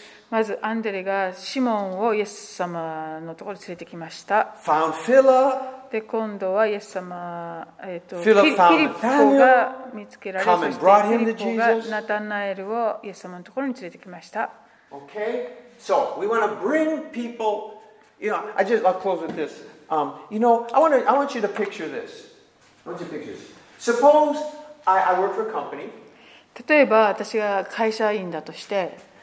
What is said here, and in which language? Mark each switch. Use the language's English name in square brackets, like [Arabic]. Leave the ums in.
[Japanese] まずアンデレがシモンをイエス様のところに連れてきました。 Ila, で今度はイエス様、えーと、とフィリップが見つけられナタナエルをイエス様のところに連れてきました。 [English] Okay. So we want to bring people. You know, I just I'll close with this. Um, you know, I want to I want you to picture this. I want you to picture this. Suppose I, I work for a company. [Japanese] 例えば私が会社員だとして